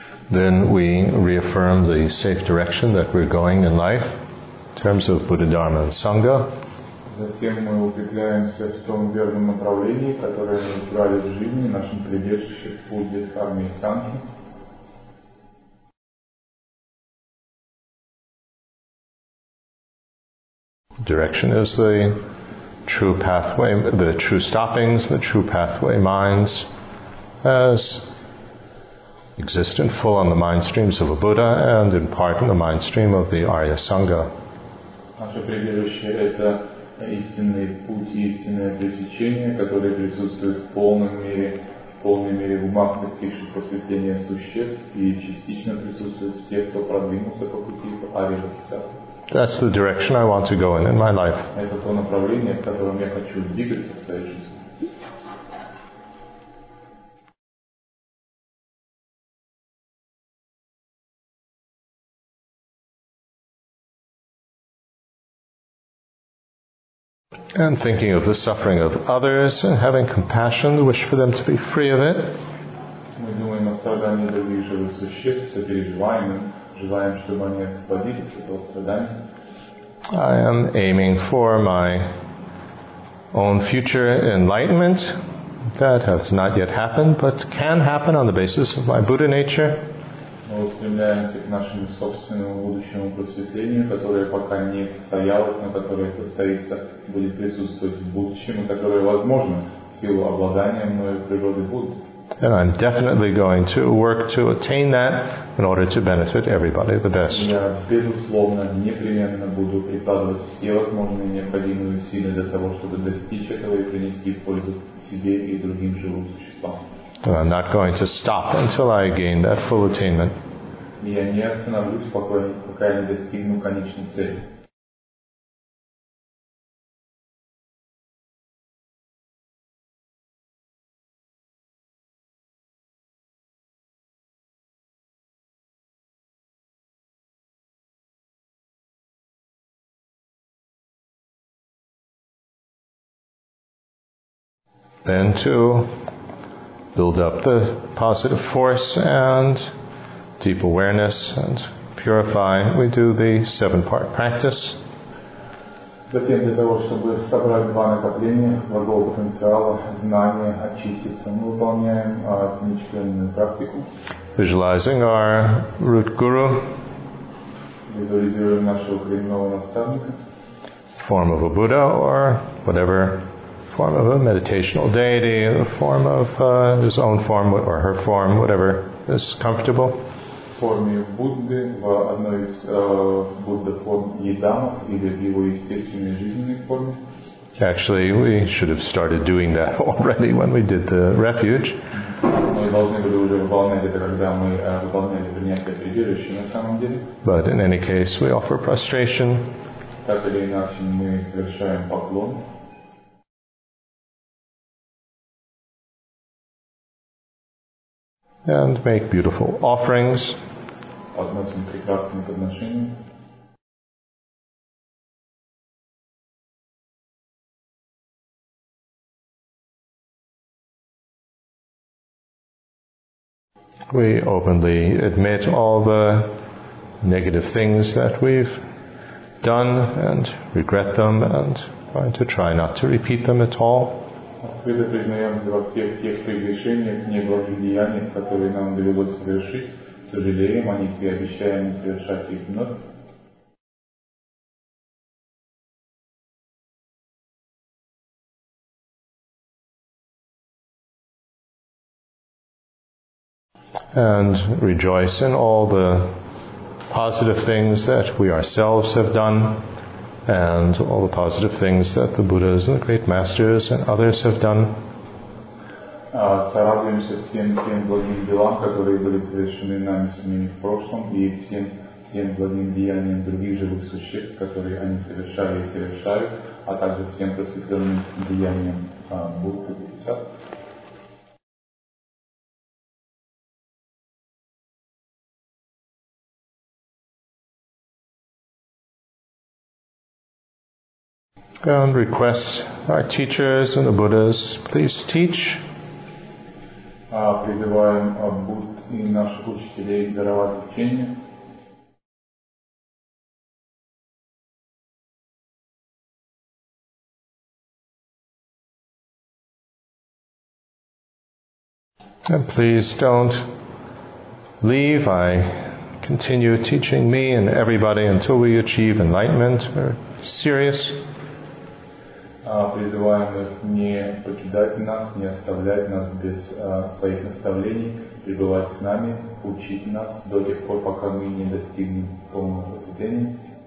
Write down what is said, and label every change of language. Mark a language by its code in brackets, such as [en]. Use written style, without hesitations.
[en] Then we reaffirm the safe direction that we're going in life in terms of Buddha, Dharma, and Sangha. [ru] Затем мы укрепляемся в том верном направлении, которое мы избрали в жизни, нашим прибежищем, Будде, Дхарме и Сангхе. [en] Direction is the true pathway, the true stoppings, the true pathway minds, as exist in full on the mind streams of a Buddha and in part in the mind stream of the Arya Sangha. [ru] Наше прибежище – это истинный путь, истинное пресечение, которое присутствует в полном мире, в полной мере в умах достигших просветления существ и частично присутствует в тех, кто продвинулся по пути в Арья Сангха. [en] That's the direction I want to go in my life. [ru] Это то направление, в котором я хочу двигаться в своей жизни. [en] And thinking of the suffering of others and having compassion, the wish for them to be free of it. [ru] Мы думаем о страдании других живых существ, сопереживаем им, желаем, чтобы они освободились от этого страдания. [en] I am aiming for my own future enlightenment. That has not yet happened, but can happen on the basis of my Buddha nature. [ru] Мы устремляемся к нашему собственному будущему просветлению, которое пока не состоялось, но которое состоится, будет присутствовать в будущем, и которое возможно в силу обладания мною природы Будды. [en] And I'm definitely going to work to attain that in order to benefit everybody the best. [ru] Я безусловно непременно буду прикладывать все возможные необходимые усилия для того, чтобы достичь этого и принести пользу себе и другим живым существам. [en] And I'm not going to stop until I gain that full attainment. [ru] Я не остановлюсь, пока я не достигну конечной цели. [en] Then to build up the positive force and deep awareness and purify, we do the seven-part practice. [ru] Затем для того, чтобы собрать два накопления, благого потенциала, знания, очиститься, мы выполняем семичленную практику. [en] Visualizing our root guru, [ru] визуализируем нашего коренного наставника, [en] form of a Buddha or whatever form of a meditational deity, the form of his own form or her form, whatever is comfortable. [ru] Форме Будды, в одной из Будда форм едамов или в его естественной жизненной форме. [en] Actually, we should have started doing that already when we did the refuge. [ru] Мы должны были уже выполнять это, когда мы выполняли принятие прибежища на самом деле. [en] But in any case, we offer prostration. [ru] Так или иначе, мы совершаем поклон. [en] And make beautiful offerings. [ru] Относим прекрасные подношения. [en] We openly admit all the negative things that we've done and regret them and try to try not to repeat them at all. [ru] Открыто признаемся во всех тех прегрешениях, неблагодеяниях, которые нам довелось совершить, сожалеем о них и обещаем не совершать их вновь. [en] And rejoice in all the positive things that we ourselves have done. And all the positive things that the Buddhas and the great masters and others have done. [ru] Сорадуемся всем тем благим делам, которые были совершены нами самими в прошлом, и всем тем благим деяниям других живых существ, которые они совершали и совершают, а также всем просветленным деяниям Будды и Сад. [en] And request our teachers and the Buddhas, please teach. [ru] Призываем Будд и наших учителей даровать учение. [en] And please don't leave. I continue teaching me and everybody until we achieve enlightenment. We're serious. [ru] Призываем их не покидать нас, не оставлять нас без своих наставлений, пребывать с нами, учить нас до тех пор, пока мы не достигнем полного просветления.